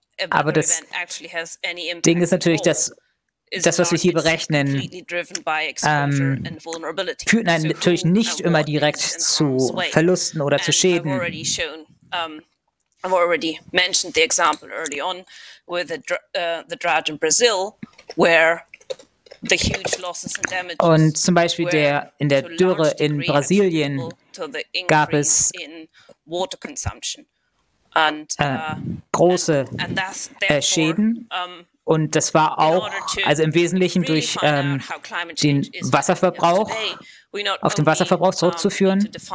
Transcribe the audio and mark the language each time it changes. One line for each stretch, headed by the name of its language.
German: Aber das Ding ist natürlich, dass das, was wir hier berechnen, führt natürlich nicht immer direkt zu Verlusten oder zu Schäden.
English: I've already mentioned the example early on with the drought in Brazil, where the huge losses and damages.
German: Und zum Beispiel der in der Dürre in Brasilien gab es
English: water consumption
German: and große Schäden. Und das war auch, also im Wesentlichen durch den Wasserverbrauch, auf den Wasserverbrauch zurückzuführen.